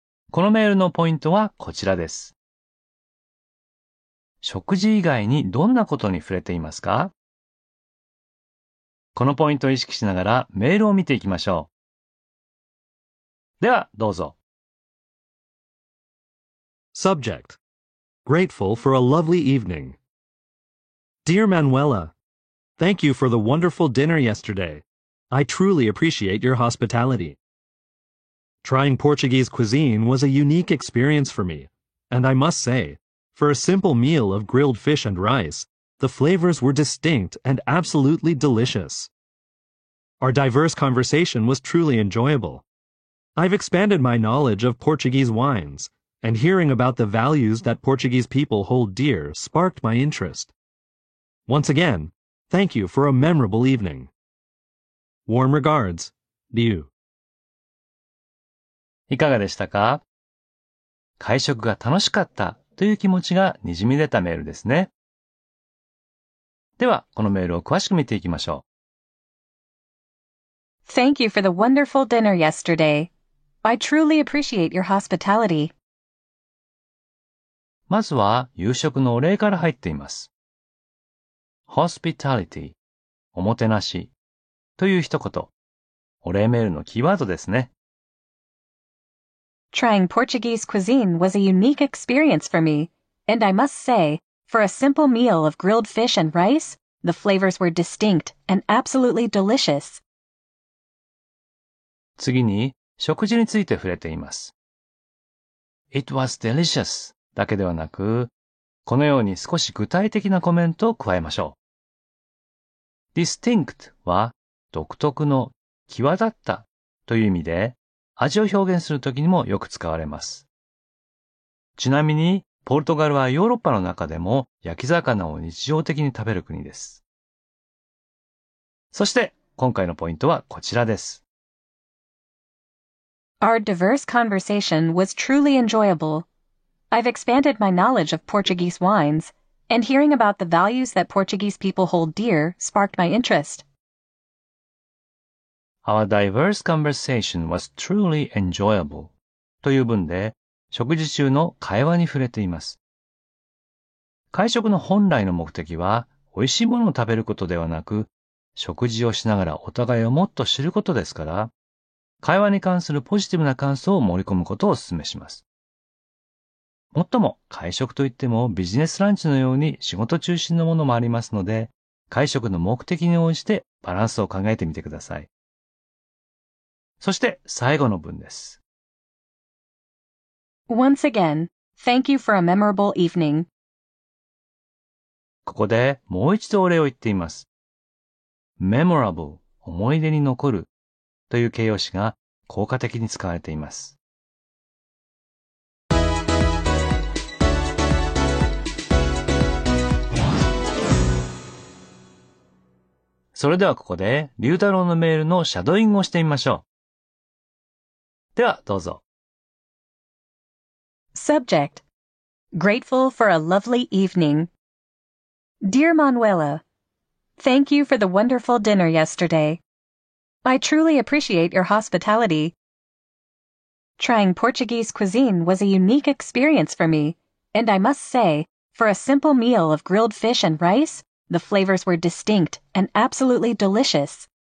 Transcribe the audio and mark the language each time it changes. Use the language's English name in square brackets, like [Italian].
[Japanese] このメールのポイントはこちらです。食事以外にどんなことに触れていますか？このポイントを意識しながらメールを見ていきましょう。では、どうぞ。 [English] Subject: Grateful for a lovely evening. Dear Manuela, thank you for the wonderful dinner yesterday. I truly appreciate your hospitality. Trying Portuguese cuisine was a unique experience for me, and I must say, for a simple meal of grilled fish and rice, the flavors were distinct and absolutely delicious. Our diverse conversation was truly enjoyable. I've expanded my knowledge of Portuguese wines. And hearing about the values that Portuguese people hold dear sparked my interest. Once again, thank you for a memorable evening. Warm regards, Liu. [Japanese] いかがでしたか？会食が楽しかったという気持ちがにじみ出たメールですね。では、このメールを詳しく見ていきましょう。 [English] Thank you for the wonderful dinner yesterday. I truly appreciate your hospitality. [Japanese] まずは夕食のお礼から入っています。Hospitality、おもてなしという一言、お礼メールのキーワードですね。 Trying Portuguese cuisine was a unique experience for me, and I must say, for a simple meal of grilled fish and rice, the flavors were distinct and absolutely delicious. 次に食事について触れています。 [English] It was delicious. [Japanese] だけではなく、このように少し具体的なコメントを加えましょう。 Distinct は独特の、際立ったという意味で、味を表現するときにもよく使われます。ちなみに、ポルトガルはヨーロッパの中でも焼き魚を日常的に食べる国です。そして、今回のポイントはこちらです。 [English] Our diverse conversation was truly enjoyable. I've expanded my knowledge of Portuguese wines, and hearing about the values that Portuguese people hold dear sparked my interest. Our diverse conversation was truly enjoyable. [Japanese] という文で、食事中の会話に触れています。会食の本来の目的は、美味しいものを食べることではなく、食事をしながらお互いをもっと知ることですから、会話に関するポジティブな感想を盛り込むことをお勧めします。もっとも会食といってもビジネスランチのように仕事中心のものもありますので、会食の目的に応じてバランスを考えてみてください。そして最後の文です。 [English] Once again, thank you for a memorable evening. [Japanese] ここでもう一度お礼を言っています。Memorable、思い出に残るという形容詞が効果的に使われています。それではここで、龍太郎のメールのシャドーイングをしてみましょう。では、どうぞ。 [English] Subject: Grateful for a lovely evening. Dear Manuela, thank you for the wonderful dinner yesterday. I truly appreciate your hospitality. Trying Portuguese cuisine was a unique experience for me, and I must say, for a simple meal of grilled fish and rice, the flavors were distinct and absolutely delicious.